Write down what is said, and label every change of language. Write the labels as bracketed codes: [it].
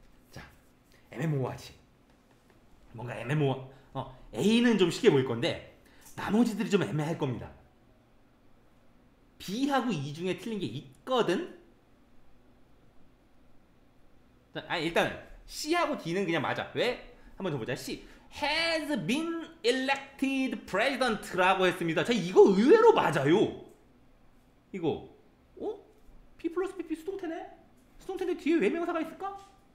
[ko] 자, 애매모호하지. 뭔가 애매모호. A는 좀 쉽게 보일 건데 나머지들이 좀 애매할 겁니다. B하고 E 중에 틀린 게 있거든. 자, 아 일단 C하고 D는 그냥 맞아. 왜? 한번 더 보자. [en] C has been elected president라고 [ko] 했습니다. 자, 이거 의외로 맞아요. 이거 어? P 플러스 PP 수동태네? 수동태인데 뒤에 왜 명사가 있을까?